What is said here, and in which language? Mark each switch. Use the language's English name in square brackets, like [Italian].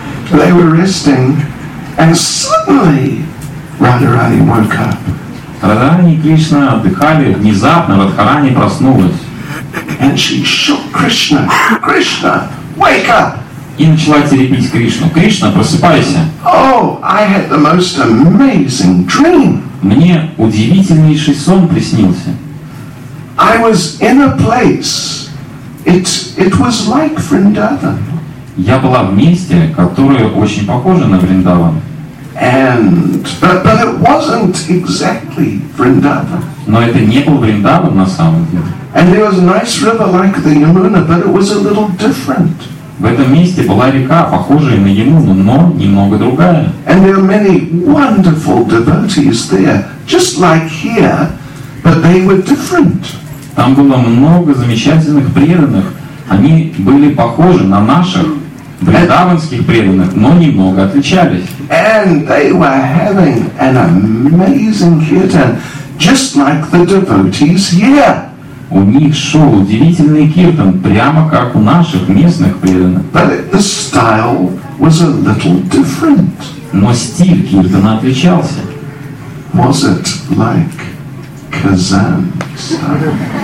[English] They were resting, and suddenly Radharani woke up. [Russian] Радхарани и Кришна отдыхали, внезапно Радхарани проснулась. [English] And she shook Krishna. Krishna, wake up! [Russian] И начала теребить Кришну. Кришна, просыпайся. [English] Oh, I had the most amazing dream. [Russian] Мне удивительнейший сон приснился. [English] I was in a place. It was like Vrindavan. [Russian] Я была в месте, которое очень похоже на Вриндаван. [English] But it wasn't exactly Vrindavan. [Russian] Но это не был Вриндаван на самом деле. [English] And there was a nice river like the Yamuna, but it was a little different. [Russian] В этом месте была река, похожая на Ямуну, но немного другая. [English] And there were many wonderful devotees there, just like here, but they were different. [Russian] Там было много замечательных преданных. Они были похожи на наших вриндаванских преданных, но немного отличались. [English] And they were having an amazing kirtan, just like the devotees here. [Russian] У них шел удивительный киртан, прямо как у наших местных преданных. [English] But the style was a little different. [Russian] Но стиль киртана отличался. [English] Was it like Kazan style?